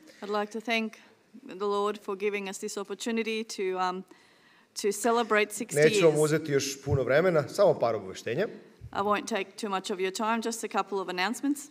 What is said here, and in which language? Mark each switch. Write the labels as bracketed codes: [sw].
[en] I'd like to thank the Lord for giving us this opportunity to celebrate 60 years. [sr] Neću vam uzeti još puno vremena, samo par obaveštenja. [en] I won't take too much of your time, just a couple of announcements.